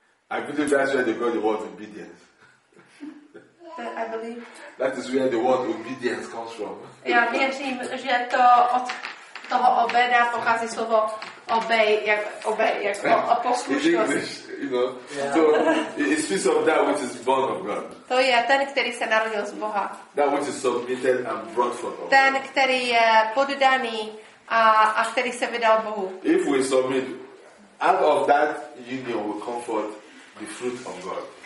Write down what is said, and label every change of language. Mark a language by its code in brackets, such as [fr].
[en] I believe that's where they got the word obedience. I believe. That is where the word obedience comes from. [cs] Já věřím, že to od toho obeda pochází slovo obej jako poslušnost. [en] You know, yeah. So it speaks of that which is born of God. [cs] To je ten, který se narodil z Boha. [en] That which is submitted and brought forth. [cs] Ten, který je poddaný a který se vydal Bohu. [en] If we submit, out of that union will come forth the fruit of God.